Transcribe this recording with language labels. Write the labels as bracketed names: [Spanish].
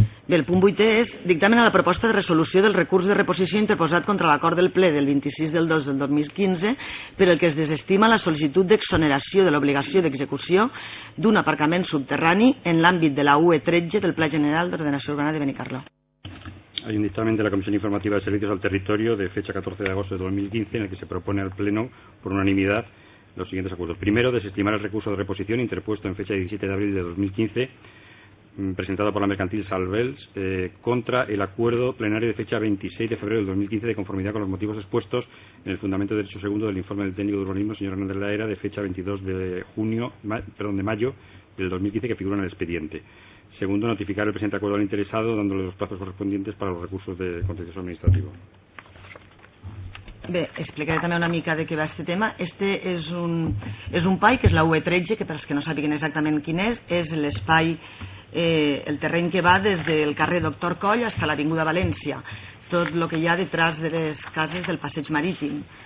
[Catalan] Bé, el punt 8è és dictamen a la proposta de resolució del recurs de reposició interposat contra l'acord del ple del 26/2/2015, per el que es desestima la sol·licitud d'exoneració de l'obligació d'execució d'un aparcament subterrani en l'àmbit de la UE13 del Pla General d'Ordenació Urbana de Benicarló. [Spanish] Hay un dictamen de la Comisión Informativa de Servicios al Territorio de fecha 14/2015 en el que se propone al Pleno por unanimidad los siguientes acuerdos. Primero, desestimar el recurso de reposición interpuesto en fecha 17/2015 presentado por la mercantil Salvels contra el acuerdo plenario de fecha 26/2015 de conformidad con los motivos expuestos en el fundamento de derecho segundo del informe del técnico de urbanismo señor Hernández de la Era de fecha 22 de mayo del 2015 que figura en el expediente. Segundo, notificar el presente acuerdo al interesado dándole los plazos correspondientes para los recursos de contencioso administrativo. [Catalan] Bé, explicaré també una mica de què va este tema. Este és un PAI, que és la UE13, que per als que no sàpiguen exactament quin és l'espai, el terreny que va des del carrer Doctor Coll fins a l'Avinguda València, tot el que hi ha detrás de les cases del passeig marítim.